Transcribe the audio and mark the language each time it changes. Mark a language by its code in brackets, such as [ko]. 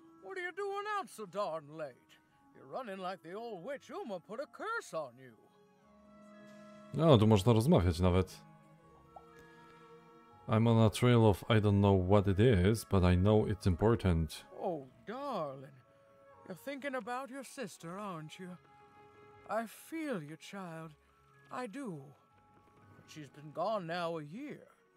[en] What are you doing out so darn late? You're running like the old witch Uma put a curse on you. [pl] No, tu można rozmawiać nawet. [en] I'm on a trail of I don't know what it is, but I know it's important. Oh, darling. You're thinking about your sister, aren't you? I feel you, child. I do. She's been gone now a year.